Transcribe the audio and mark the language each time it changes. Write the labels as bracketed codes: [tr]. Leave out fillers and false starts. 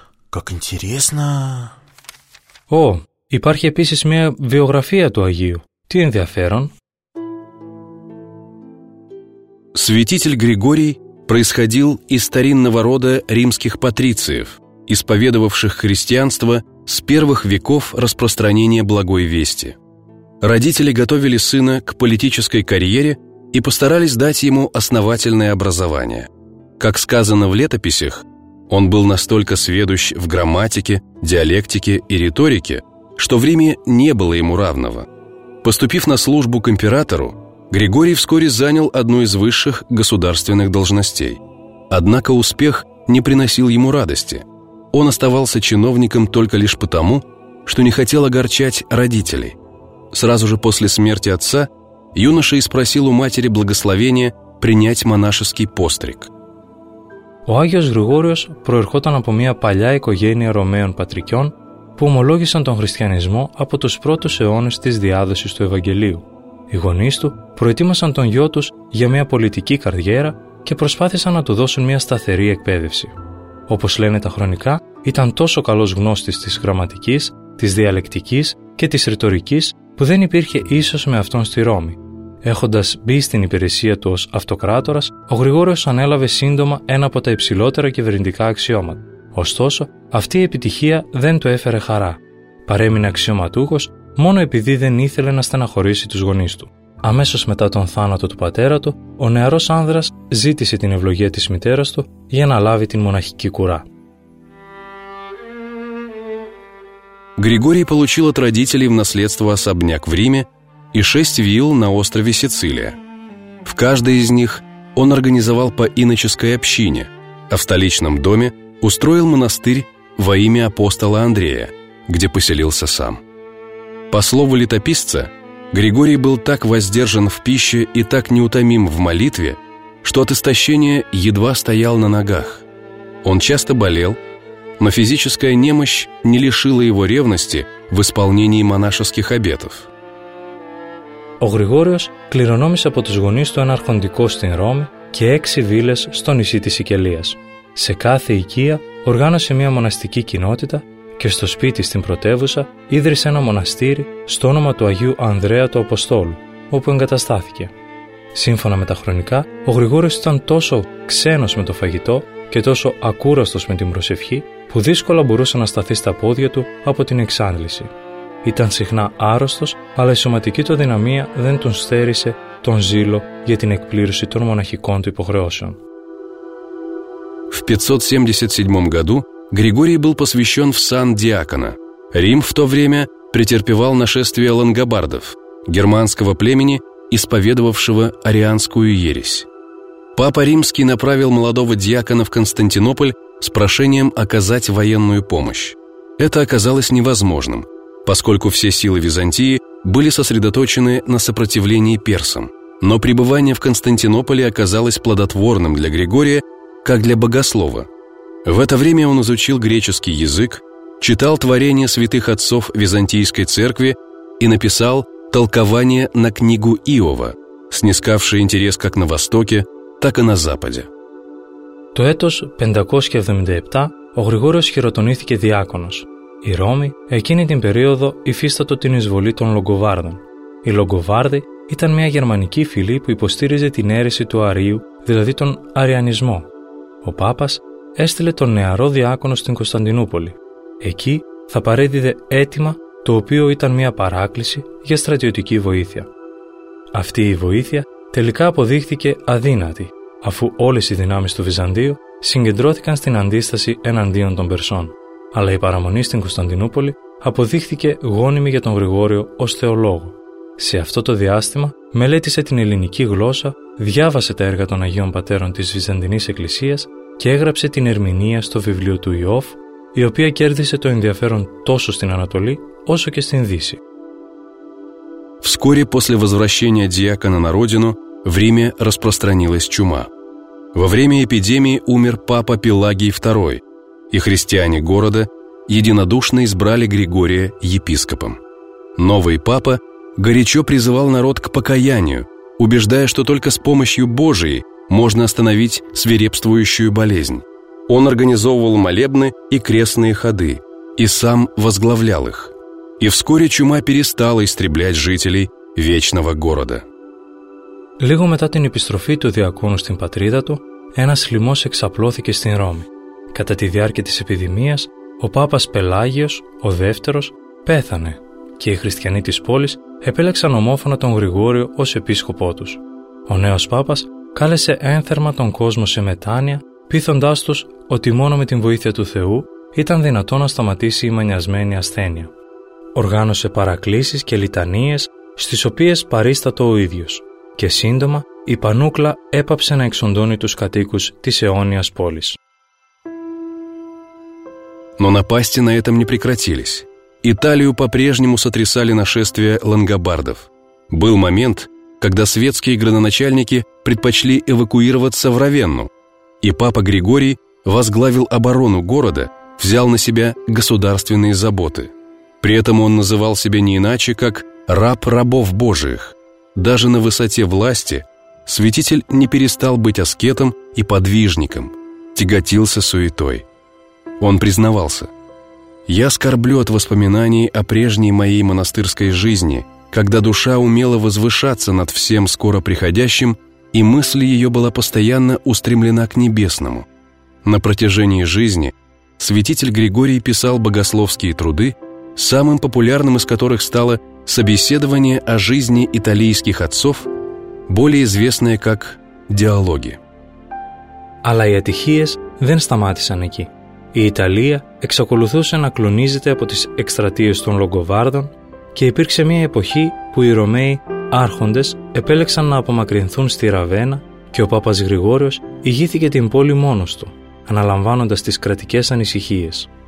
[ru] Как интересно. [el] Ω, υπάρχει επίσης μια βιογραφία του Αγίου. Τι ενδιαφέρον. [ru] Святитель Григорий происходил из старинного рода римских патрициев, исповедовавших христианство с первых веков распространения Благой Вести. Родители готовили сына к политической карьере и постарались дать ему основательное образование. Как сказано в летописях, он был настолько сведущ в грамматике, диалектике и риторике, что в Риме не было ему равного. Поступив на службу к императору, Григорий вскоре занял одну из высших государственных должностей. Однако успех не приносил ему радости. Он оставался чиновником только лишь потому, что не хотел огорчать родителей. Сразу же после смерти отца юноша испросил у матери благословения принять монашеский постриг. [el] Ο Άγιος Γρηγόριος προερχόταν από μια παλιά οικογένεια Ρωμαίων πατρικιών που ομολόγησαν τον χριστιανισμό από τους πρώτους αιώνες της διάδοσης του Ευαγγελίου. Οι γονείς του προετοίμασαν τον γιο τους για μια πολιτική καριέρα και προσπάθησαν να του δώσουν μια σταθερή εκπαίδευση. Όπως λένε τα χρονικά, ήταν τόσο καλός γνώστης της γραμματικής, της διαλεκτικής και της ρητορικής που δεν υπήρχε ίσος με αυτόν στη Ρώμη. Έχοντας μπει στην υπηρεσία του ως αυτοκράτορας, ο Γρηγόριος ανέλαβε σύντομα ένα από τα υψηλότερα κυβερνητικά αξιώματα. Ωστόσο, αυτή η επιτυχία δεν του έφερε χαρά. Παρέμεινε αξιωματούχος μόνο επειδή δεν ήθελε να στεναχωρήσει τους γονείς του. Αμέσως μετά τον θάνατο του πατέρα του, ο νεαρός άνδρας ζήτησε την ευλογία της μητέρας του για να λάβει την μοναχική κουρά. [ru] Григорий получил от родителей в наследство особняк в Риме и 6 вилл на острове Сицилия. В каждой из них он организовал по иноческой общине, а в столичном доме устроил монастырь во имя апостола Андрея, где поселился сам. По слову летописца, Григорий был так воздержан в пище и так неутомим в молитве, что от истощения едва стоял на ногах. Он часто болел, но физическая немощь не лишила его ревности в исполнении монашеских обетов. [el] Ο Γρηγόριος κληρονόμησε από τους γονείς του ένα αρχοντικό στην Ρώμη και 6 βίλες στο νησί της Σικελίας. Σε κάθε οικία οργάνωσε μια μοναστική κοινότητα και στο σπίτι στην πρωτεύουσα ίδρυσε ένα μοναστήρι στο όνομα του Αγίου Ανδρέα του Αποστόλου, όπου εγκαταστάθηκε. Σύμφωνα με τα χρονικά, ο Γρηγόριος ήταν τόσο ξένος με το φαγητό και τόσο ακούραστος με την προσευχή, που δύσκολα μπορούσε να σταθεί στα πόδια του από την εξάντληση. ήταν συχνά άρρωστος, αλλά η σωματική του αδυναμία δεν τον στέρισε τον ζήλο για την εκπλήρωση των μοναχικών του υποχρεώσεων. [ru] В 577 году Григорий был посвящен в сан диакона. Рим в то время претерпевал нашествие лангобардов, германского племени, исповедовавшего арианскую ересь. Папа Римский направил молодого диакона в Константинополь с прошением оказать военную помощь. Это оказалось невозможным, поскольку все силы Византии были сосредоточены на сопротивлении персам. Но пребывание в Константинополе оказалось плодотворным для Григория, как для богослова. В это время он изучил греческий язык, читал творения святых отцов Византийской церкви и написал толкование на книгу Иова, снискавшее интерес как на Востоке, так и на Западе. [el] Το έτος 577 ο Γρηγόριος χειροτονήθηκε διάκονος. Η Ρώμη εκείνη την περίοδο υφίστατο την εισβολή των Λογκοβάρδων. Οι Λογκοβάρδοι ήταν μια γερμανική φυλή που υποστήριζε την αίρεση του Αρίου, δηλαδή τον αριανισμό. Ο Πάπας έστειλε τον νεαρό διάκονο στην Κωνσταντινούπολη. Εκεί θα παρέδιδε αίτημα, το οποίο ήταν μια παράκληση για στρατιωτική βοήθεια. Αυτή η βοήθεια τελικά αποδείχθηκε αδύνατη, αφού όλες οι δυνάμεις του Βυζαντίου συγκεντρώθηκαν στην αντίσταση εναντίον των Περσών. Αλλά η παραμονή στην Κωνσταντινούπολη αποδείχθηκε γόνιμη για τον Γρηγόριο ως θεολόγο. Σε αυτό το διάστημα μελέτησε την ελληνική γλώσσα, διάβασε τα έργα των Αγίων Πατέρων της Βυζαντινής Εκκλησίας και έγραψε την ερμηνεία στο βιβλίο του Ιώφ, η οποία κέρδισε το ενδιαφέρον τόσο στην Ανατολή όσο και στην Δύση. [ru] Вскоре после возвращения диакона на родину в Риме распространилась чума. Во время эпидемии умер папа Пелагий II, и христиане города единодушно избрали Григория епископом. Новый папа горячо призывал народ к покаянию, убеждая, что только с помощью Божией можно остановить свирепствующую болезнь. Он организовывал молебны и крестные ходы, и сам возглавлял их. И вскоре чума перестала истреблять жителей вечного города. [el] Λίγο μετά την επιστροφή του διακόνου στην πατρίδα του, ένας λοιμός εξαπλώθηκε στην Ρώμη. Κατά τη διάρκεια της επιδημίας, ο Πάπας Πελάγιος, ο δεύτερος, πέθανε και οι χριστιανοί της πόλης επέλεξαν ομόφωνα τον Γρηγόριο ως επίσκοπό τους. Ο νέος Πάπας κάλεσε ένθερμα τον κόσμο σε μετάνοια, πείθοντάς τους ότι μόνο με την βοήθεια του Θεού ήταν δυνατό να σταματήσει η μανιασμένη ασθένεια. Οργάνωσε παρακλήσεις και λιτανίες, στις οποίες παρίστατο ο ίδιος, και σύντομα η Πανούκλα έπαψε να εξοντώνει τους κατοίκους της αιώνιας πόλης. [ru] Но напасти на этом не прекратились. Италию по-прежнему сотрясали нашествия лангобардов. Был момент, когда светские градоначальники предпочли эвакуироваться в Равенну, и папа Григорий возглавил оборону города, взял на себя государственные заботы. При этом он называл себя не иначе, как «раб рабов Божиих». Даже на высоте власти святитель не перестал быть аскетом и подвижником, тяготился суетой. Он признавался: «Я скорблю от воспоминаний о прежней моей монастырской жизни, когда душа умела возвышаться над всем скоро приходящим, и мысль ее была постоянно устремлена к небесному». На протяжении жизни святитель Григорий писал богословские труды, самым популярным из которых стало «Собеседование о жизни италийских отцов», более известное как «Диалоги». [el] Αλλά οι ατυχίες δεν σταμάτησαν εκεί. Η Ιταλία εξακολουθούσε να κλονίζεται από τις εκστρατείες των Λογκοβάρδων και υπήρξε μια εποχή που οι Ρωμαίοι άρχοντες επέλεξαν να απομακρυνθούν στη Ραβένα και ο Πάπας Γρηγόριος ηγήθηκε την πόλη μόνος του, αναλαμβάνοντας τις κρατικές ανησυχίες.